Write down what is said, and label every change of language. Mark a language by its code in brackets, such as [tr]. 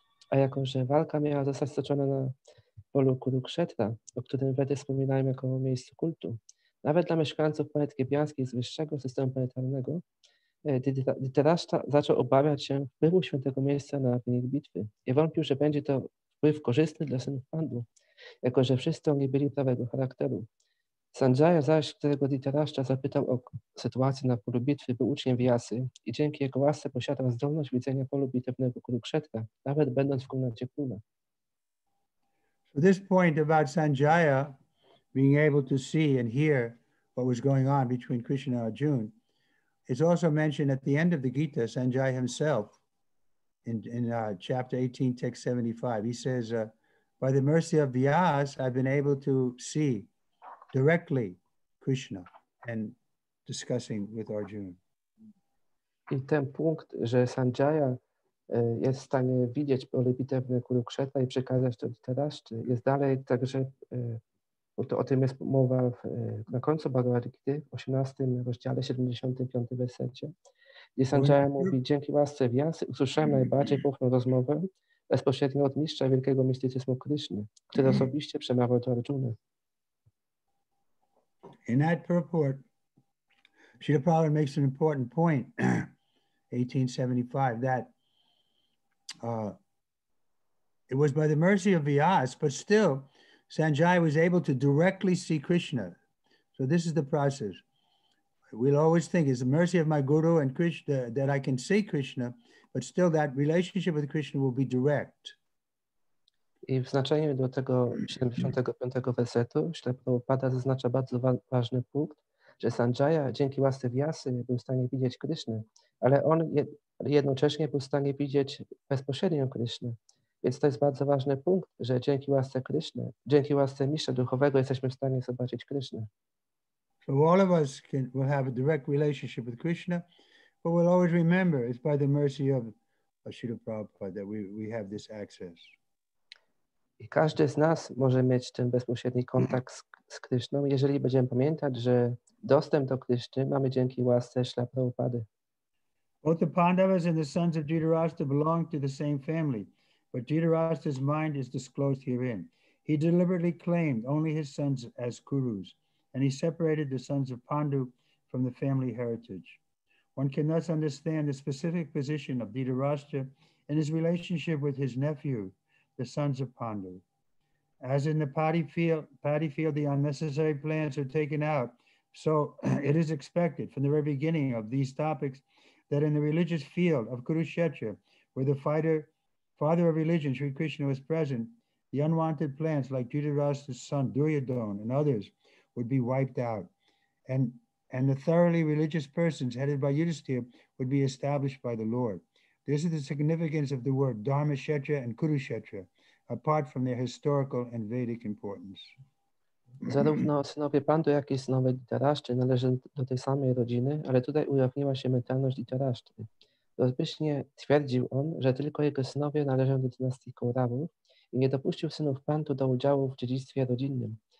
[pl] A jako że walka miała zostać stoczona na polu Kurukshetra, o którym Wedy wspominają jako o miejscu kultu, nawet dla mieszkańców planet gebiańskich z wyższego systemu planetarnego, Dhritarashtra zaczął obawiać się wpływu świętego miejsca na wynik bitwy i wątpił, że będzie to wpływ korzystny dla synów Pandu, jako że wszyscy oni byli prawego charakteru. Sanjaya zaś, którego Dhritarashtra zapytał o sytuację na polu bitwy, był uczniem Vyasy i dzięki jego łasce posiadał zdolność widzenia polu bitewnego Kurukshetra, nawet będąc w komnacie króla. [en] So this point about Sanjaya being able to see and hear what was going on between Krishna and Arjuna, it's also mentioned at the end of the Gita, Sanjaya himself, in chapter 18, text 75, he says, by the mercy of Vyas, I've been able to see directly Krishna and discussing with Arjuna. [pl] I ten punkt, że Sanjaya jest w stanie widzieć pole bitewne Kurukshetra i przekazać to Dhritarashtrze, jest dalej także, bo to o tym jest mowa na końcu Bhagavad Gita, w 18 rozdziale, 75 wersecie, gdzie Sanjaya mówi, dzięki łasce Vyasy usłyszałem najbardziej poufną rozmowę bezpośrednio od mistrza wielkiego mistycyzmu Krishna, który osobiście przemawiał do Arjuna. [en] In that purport, Srila Prabhupada makes an important point, 1875, that it was by the mercy of Vyas, but still, Sanjaya was able to directly see Krishna. So this is the process. we'll always think it's the mercy of my guru and Krishna that I can see Krishna, but still that relationship with Krishna will be direct. [pl] I w znaczeniu do tego 75 wersetu Śrila Prabhupada zaznacza bardzo ważny punkt, że Sanjaya dzięki łasce Wiasy był w stanie widzieć Krishnę, ale on jednocześnie był w stanie widzieć bezpośrednio Krishnę. Więc to jest bardzo ważny punkt, że dzięki łasce Krishny, dzięki łasce mistrza duchowego jesteśmy w stanie zobaczyć Krishnę. [en] So all of us will have a direct relationship with Krishna, but we'll always remember it's by the mercy of Śrila Prabhupada that we have this access. [pl] I każdy z nas może mieć ten bezpośredni kontakt z Krishną, jeżeli będziemy pamiętać, że dostęp do Krishny mamy dzięki łasce Śrila Prabhupady. [en] Both the Pandavas and the sons of Dhritarashtra belong to the same family. But Dhritarashtra's mind is disclosed herein. He deliberately claimed only his sons as gurus, and he separated the sons of Pandu from the family heritage. One can thus understand the specific position of Dhritarashtra in his relationship with his nephew, the sons of Pandu. As in the paddy field, the unnecessary plants are taken out, so it is expected from the very beginning of these topics that in the religious field of Kurukshetra, where the father of religion, Sri Krishna, was present, the unwanted plants like Dhritarashtra's son, Duryodhana, and others would be wiped out. And the thoroughly religious persons headed by Yudhisthira would be established by the Lord. This is the significance of the word Dharmakshetra and Kurukshetra, apart from their historical and Vedic importance. [pl] Zarówno synowie Pandu, jak i synowie Dhritarashtry należą do tej samej rodziny, ale tutaj ujawniła się mentalność Dhritarashtry. Rozbicznie twierdził on, że tylko jego synowie należą do dynastii Kaurawy i nie dopuścił synów Pandu do udziału w dziedzictwie rodzinnym.